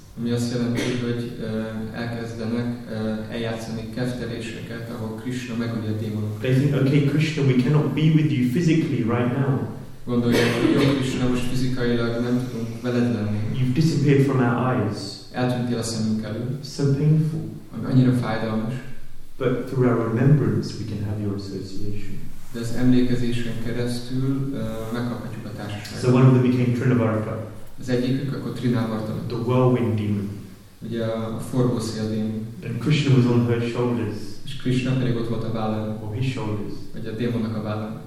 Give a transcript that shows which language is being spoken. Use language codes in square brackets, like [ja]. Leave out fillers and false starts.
[hu] Ami azt jelenti, hogy elkezdenek eljátszani kefteléseket, ahol Krishna megölje a démonokat. [en] They think, okay, Krishna, we cannot be with you physically right now. [hu] Gondolják, hogy jó, Krishna, most fizikailag nem tudunk veled lenni. [en] You've disappeared from our eyes. [hu] eltűntél a szemünk elől. [en] So painful. [hu] Annyira fájdalmas. [en] But through our remembrance we can have your association. [hu] De az emlékezésen keresztül megkaphatjuk a társaságot. [en] So one of them became Trinavarta. [hu] Az egyikük akkor Trinavarta. [en] The whirlwind demon. [hu] Ugye a forgó szél démon. [en] And Krishna was on her shoulders. [hu] És Krishna pedig ott volt a vállán. [en] Or his shoulders. [hu] Ugye a démonnak a vállán.